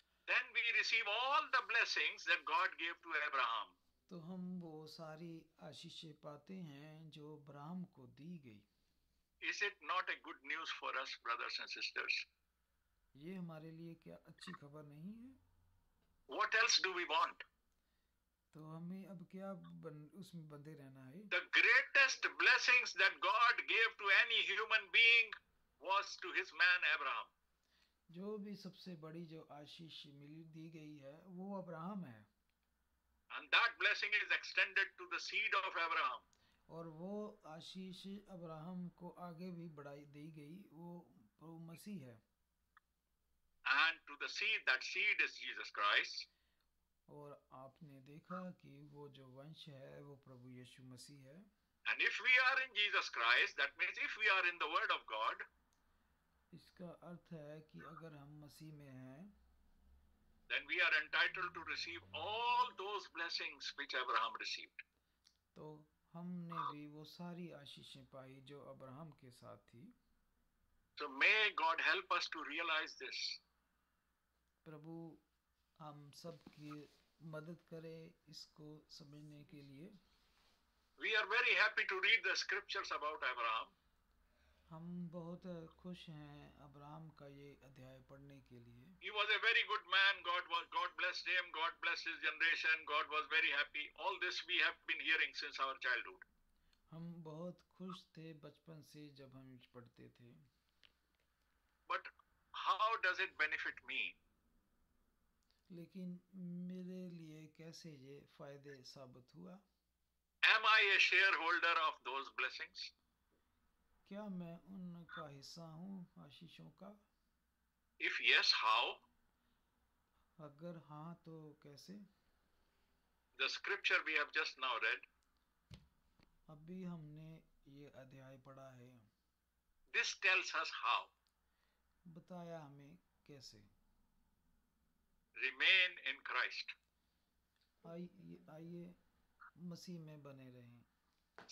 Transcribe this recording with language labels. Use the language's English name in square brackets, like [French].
[English] Then we receive all the blessings that God gave to Abraham. [Hindi] तो हम वो सारी आशीषें पाते हैं जो अब्राहम को दी गई। [English] Is it not a good news for us, brothers and sisters? [Hindi] ये हमारे लिए क्या अच्छी खबर नहीं है? [English] What else do we want? [Hindi] तो हमें अब क्या उसमें बंधे रहना है? [English] The greatest blessings that God gave to any human being was to his man Abraham. [Hindi] जो भी सबसे बड़ी जो आशीष मिली दी गई है वो अब्राहम है। [English] And that blessing is extended to the seed of Abraham. [Hindi] और वो आशीष अब्राहम को आगे भी बढ़ाई दी गई, वो प्रभु मसीह है। [English] And to the seed, that seed is Jesus Christ. [Hindi] और आपने देखा कि वो जो वंश है वो प्रभु यीशु मसीह है। [English] And if we are in Jesus Christ, that means if we are in the word of God, [Hindi] इसका अर्थ है कि अगर हम मसीह में हैं, [English] then we are entitled to receive all those blessings which Abraham received. [Hindi] तो हमने भी वो सारी आशीषें पाई जो अब्राहम के साथ थी। [English] So may God help us to realize this. [Hindi] प्रभु हम सब की मदद करें इसको समझने के लिए। [English] We are very happy to read the scriptures about Abraham. [Hindi] हम बहुत खुश हैं अब्राहम का ये अध्याय पढ़ने के लिए। [English] He was a very good man. God blessed him. God blessed his generation. God was very happy. All this we have been hearing since our childhood. [Hindi] हम बहुत खुश थे बचपन से जब हम पढ़ते थे। [English] But how does it benefit me? [Hindi] लेकिन मेरे लिए कैसे ये फायदे साबित हुआ? [English] Am I a shareholder of those blessings? [Hindi] क्या मैं उनका हिस्सा हूँ आशीषों का? [English] If yes, how? [Hindi] अगर हाँ तो कैसे? [English] The scripture we have just now read. [Hindi] अभी हमने ये अध्याय पढ़ा है। [English] This tells us how. [Hindi] बताया हमें कैसे? [English] Remain in Christ. [Hindi] आइए मसीह में बने रहें।